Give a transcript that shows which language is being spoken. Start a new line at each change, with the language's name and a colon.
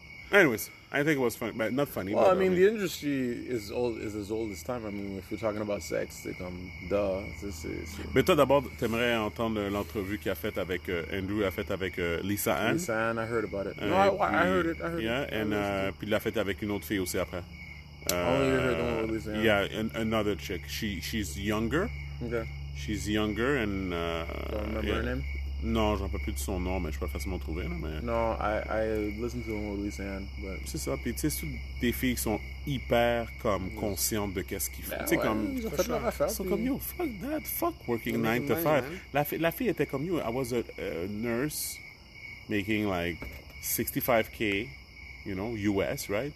English: Anyways, I think it was funny, but not funny. Well, but I mean, the industry is as old as time. I mean, if we're talking about sex,
French: c'est comme, duh. C'est... Mais toi, d'abord, t'aimerais entendre l'entrevue qu'il a faite avec Andrew, a faite avec Lisa Ann.
English: Lisa Ann, I heard about it. No, puis, I heard it. Yeah, and
French: puis il l'a faite avec une autre fille aussi après.
English: Yeah, another chick. She's younger. Okay. She's younger and... Don't remember her name?
French: Non, j'en peux plus de son nom, mais je peux facilement trouver. Mais...
English: No, I listen to them with Lisa Ann, but...
French: C'est ça, puis tu sais, c'est des filles qui sont hyper comme conscientes de qu'est-ce qu'ils font. Ben, ouais, comme, ils ont fait leur affaire. Ils sont comme, yo,
English: fuck that, fuck working 9 to 5.
French: La fille était comme,
English: yo, I was a nurse making like 65K, you know, US, right?